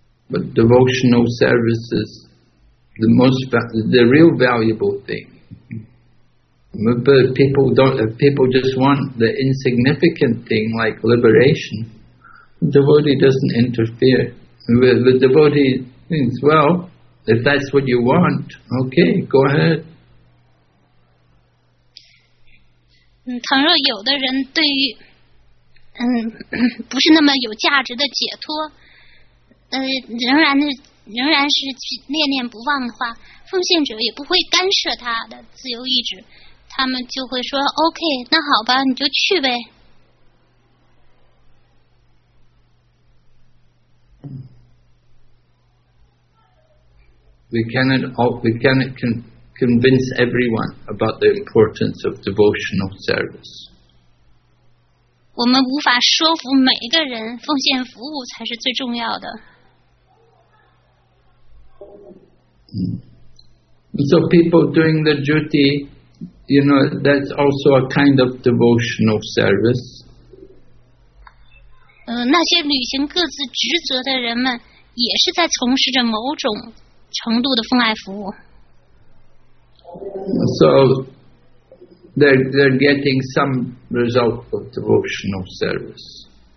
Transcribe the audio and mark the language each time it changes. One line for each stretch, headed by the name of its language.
English: But devotional service is the most the real valuable thing. But people don't. If people just want the insignificant thing like liberation, the devotee doesn't interfere. The devotee thinks, well, if that's what you want, okay, go ahead.
Chinese: 倘若有的人对于不是那么有价值的解脱，仍然是念念不忘的话，奉献者也不会干涉他的自由意志，他们就会说 OK， 那好吧，你就去呗。
English: We cannot convince everyone about the importance of devotional service.
Chinese: 我们无法说服每一个人，奉献服务才是最重要的。
English: So people doing the duty, you know, that's also a kind of devotional service.
Chinese: 那些履行各自职责的人们，也是在从事着某种程度的奉爱服务。
English: So they're getting some result of devotional service.